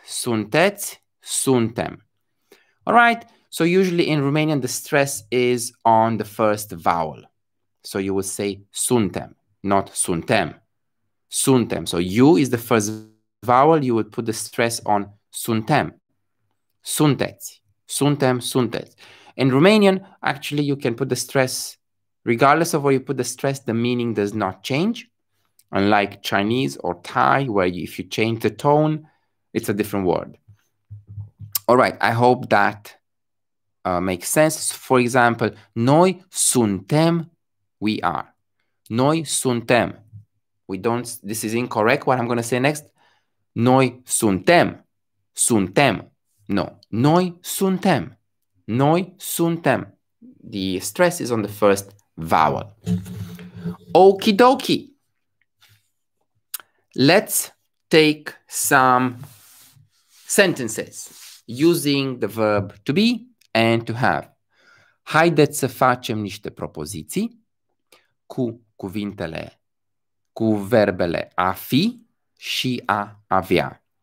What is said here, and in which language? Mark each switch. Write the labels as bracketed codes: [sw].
[ro] Sunteți, suntem. [en] All right, so usually in Romanian, the stress is on the first vowel. So you will say suntem, not suntem. Suntem, so you is the first vowel, you would put the stress on suntem. [ro] Sunteți, suntem, sunteți. [en] In Romanian, actually, you can put the stress, regardless of where you put the stress, the meaning does not change. Unlike Chinese or Thai, where if you change the tone, it's a different word. All right, I hope that makes sense. For example, [ro] noi suntem, [en] we are. [ro] Noi suntem. [en] We don't, this is incorrect, what I'm going to say next. [ro] Noi suntem. Suntem. No. Noi suntem. Noi suntem. [en] The stress is on the first vowel. Okie dokie. Let's take some sentences using the verb to be and to have. [ro] Haideți să facem niște propoziții cu cuvintele, cu verbele a fi și a avea.